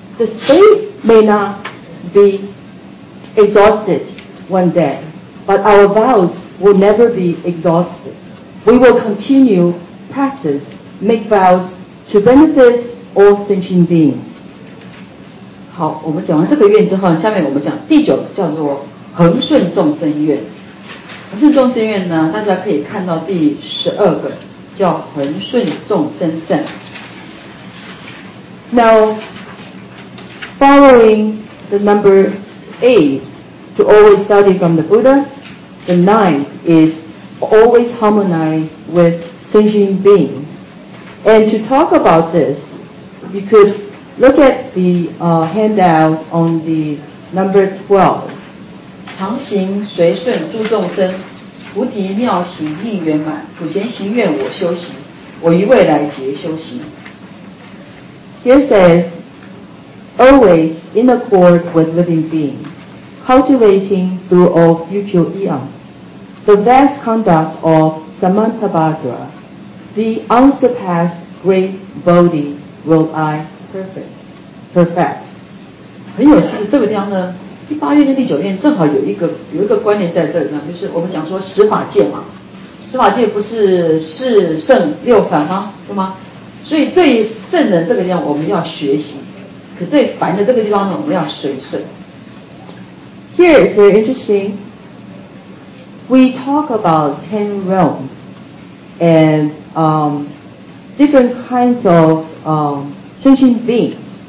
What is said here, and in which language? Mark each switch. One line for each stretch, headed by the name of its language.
English: The space may not be exhausted one day, but our vows will never be exhausted. We will continue practice, make vows to benefit all sentient beings.
Chinese: 好，我们讲完这个愿之后，下面我们讲第九个叫做恒顺众生愿。恒顺众生愿呢，大家可以看到第十二个叫恒顺众生善。
English: Now, following the number 8, to always study from the Buddha, the 9th is always harmonize with sentient beings. And to talk about this, you could look at the handout on the number 12.
Chinese: 常行随顺诸众生，菩提妙行力圆满，普贤行愿我修行，我于未来劫修行。
English: Here says, always in accord with living beings, cultivating through all future eons, the vast conduct of Samantabhadra, the unsurpassed great body will I perfect. Perfect.
Chinese: 很有趣，这个地方呢，第八愿跟第九愿正好有一个关联在这里呢，就是我们讲说十法界嘛，十法界不是四圣六凡吗？对吗？所以对圣人这个地方我们要学习，可对凡的这个地方呢，我们要随顺。
English: Here is very interesting. We talk about 10 realms and different kinds of sentient beings.